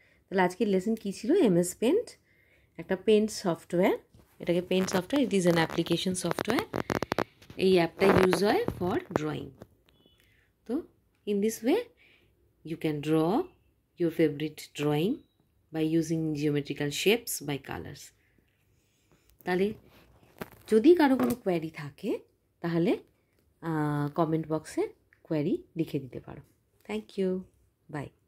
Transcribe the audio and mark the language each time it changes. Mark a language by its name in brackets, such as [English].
[Bangla] তাহলে আজকের লেসন কী ছিল? এমএস পেন্ট একটা পেন্ট সফটওয়্যার, এটাকে paint software, [English] It is an application software. [Bangla] এই অ্যাপটা ইউজ হয় ফর ড্রয়িং। [English] তো in this way you can draw your favourite drawing. by using geometrical shapes by colors. [Bangla] তাহলে যদি কারো কোনো কোয়েরি থাকে তাহলে কমেন্ট বক্সে কোয়েরি লিখে দিতে পারো. [English] Thank you, bye.